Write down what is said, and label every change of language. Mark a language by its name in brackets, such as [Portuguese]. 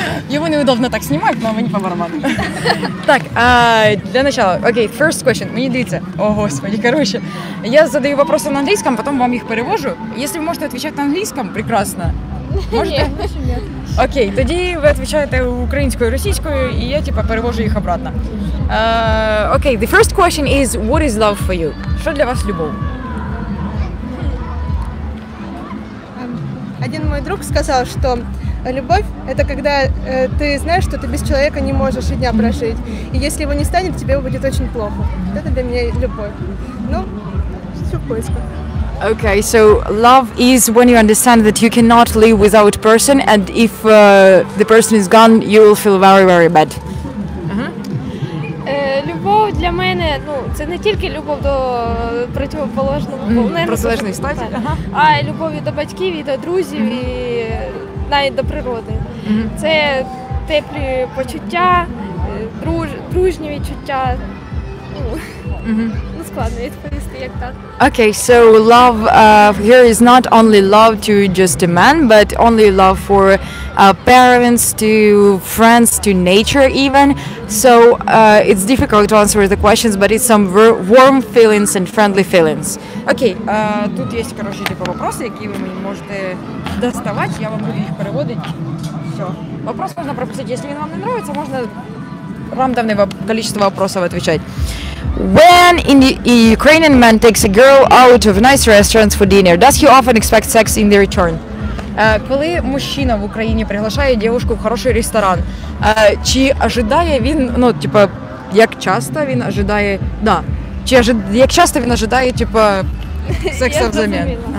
[Ukrainian] Йому неудобно так знімати, але мені по барабану. Так, для начала. Окей, [English] first question. [Ukrainian] Мені дивіться. О, господи, короче. [Russian] Я задаю вопросы на английском, потом вам їх перевожу. Если вы можете отвечать на английском, прекрасно. Можете? [Ukrainian] Окей, тоді ви відповідаєте українською, російською, і я типа перевожу їх обратно. [English] Окей, the first question is, what is love for you? [Ukrainian] Що для вас любов? [Russian] Один мой друг сказал, что любовь – это когда ты знаешь, что ты без человека не можешь и дня прожить. И если его не станет, тебе будет очень плохо. Это для меня любовь. Ну, все в поисках. [English] Okay, so love is when you understand that you cannot live without person, and if the person is gone, you will feel very, very bad. [Ukrainian] Любов для мене, ну, це не тільки любов до противоположного, протилежної статі, а й любов і до батьків, і до друзів, і навіть до природи. Це теплі почуття, дружні відчуття. Ну, складно відповісти, як так. [English] Okay, so love here is not only love to just a man, but only love for parents, to friends, to nature even. So it's difficult to answer the questions, but it's some warm feelings and friendly feelings. [Ukrainian] Okay, тут є, короче, типу вопроси, які ви можете доставати, я вам буду їх переводити. Все. Вопрос можна пропустити, якщо він вам не подобається, можна рандомне количество вопросов отвечать. [English] When in the Ukrainian man takes a girl out of nice restaurants for dinner, does he often expect sex in the return? [Ukrainian] Коли мужчина в Україні приглашає дівчинку в хороший ресторан, чи ожидає він, ну, типа, як часто він ожидає, да, чи як часто він ожидає, типа, секса взамін?